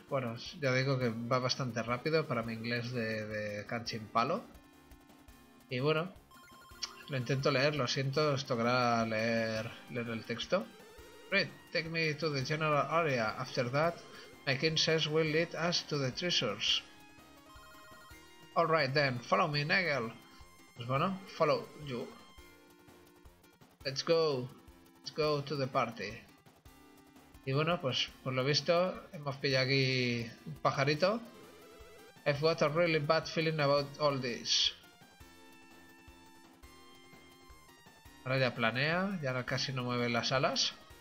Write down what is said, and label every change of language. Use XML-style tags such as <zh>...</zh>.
<es>Bueno, ya digo que va bastante rápido para mi inglés de canchimpalo. Palo. Y bueno, lo intento leer, lo siento, os tocará leer el texto.</es> <en>Read, take me to the general area. After that, my king says we'll lead us to the treasures. Alright then, follow me, Nigel.</en> <es>Pues bueno,</es> <en>follow you. Let's go to the party.</en> <es>Y bueno, pues por lo visto hemos pillado aquí un pajarito.</es> <en>I've got a really bad feeling about all this.</en> <es>Ahora ya planea, ya casi no mueve las alas.</es>